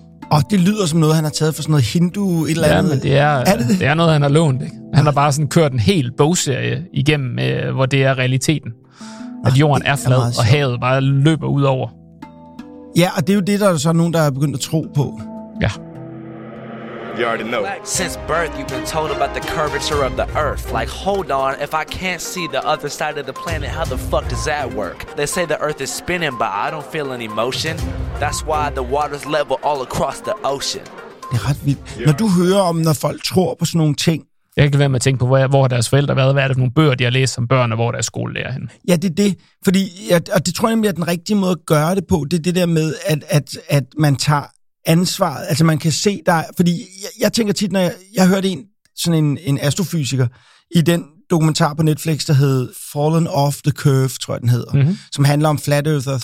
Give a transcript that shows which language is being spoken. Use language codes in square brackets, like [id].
[da] Og det lyder som noget, han har taget for sådan noget hindu et eller andet. Ja, men det er noget, han har lånt, ikke? Han har bare sådan kørt en hel bogserie igennem, hvor det er realiteten. At jorden er flad, og havet bare løber ud over. Ja, og det er jo det, der er så nogen, der er begyndt at tro på. Ja. [en] You already know. Since birth, you've been told about the curvature of the Earth. Like, hold on, if I can't see the other side of the planet, how the fuck does that work? They say the Earth is spinning, but I don't feel any motion. That's why the water's level all across the ocean. [da] Det er ret vildt. Når du hører om, når folk tror på sådan nogle ting. Jeg kan ikke være med at tænke på, hvor deres forældre har været. Hvad er det for nogle bøger, de har læst som børn, og hvor deres skolelærer hen? Ja, det er det. Fordi, og det tror jeg nemlig er den rigtige måde at gøre det på. Det er det der med, at man tager ansvaret, altså man kan se der, fordi jeg tænker tit, når jeg hørte en astrofysiker i den dokumentar på Netflix, der hed Fallen Off the Curve, tror jeg den hedder, som handler om flat earthers.